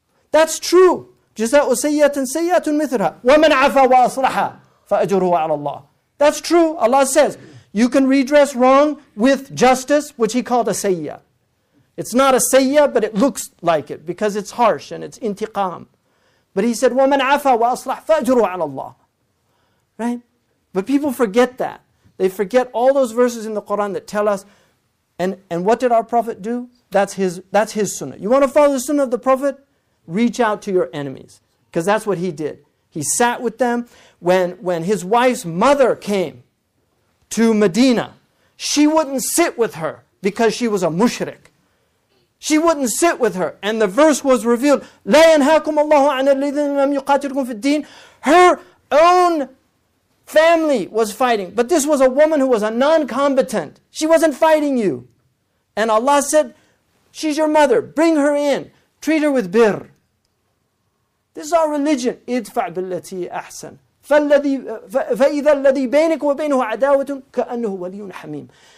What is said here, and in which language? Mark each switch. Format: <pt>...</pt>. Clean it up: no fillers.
<en>That's true.</en> <ar>جزاءُ سيئةٍ سيئةٌ مِثْلَهَا وَمَنْ عَفَى وَأَصْلَحَ فَأَجْرُهُ عَلَى اللَّهِ. That's true.</ar> <en>Allah says, you can redress wrong with justice, which He called a sayya. It's not a sayya, but it looks like it, because it's harsh and it's intiqam. But He said,</en> <ar>وَمَنْ عَفَى وَأَصْلَحَ فَأَجْرُهُ عَلَى اللَّهِ.</ar> <en>Right? But people forget that. They forget all those verses in the Qur'an that tell us, and what did our Prophet do? That's his sunnah. You want to follow the sunnah of the Prophet? Reach out to your enemies. Because that's what he did. He sat with them. When his wife's mother came to Medina, she wouldn't sit with her because she was a mushrik. She wouldn't sit with her. And the verse was revealed,</en> <ar>لَا يَنْهَاكُمَ اللَّهُ عَنَ الَّذِينَ لَمْ يُقَاتِلُكُمْ فِي الدِّينِ.</ar> <en>Her own family was fighting. But this was a woman who was a non-combatant. She wasn't fighting you. And Allah said, she's your mother. Bring her in. Treat her with birr. This is our religion.</en> <ar>اِدْفَعْ بِالَّتِي أَحْسَن. فَإِذَا الَّذِي بَيْنِكَ وَبَيْنُهُ عَدَاوَةٌ كَأَنُّهُ وَلِيٌّ حَمِيمٌ.</ar>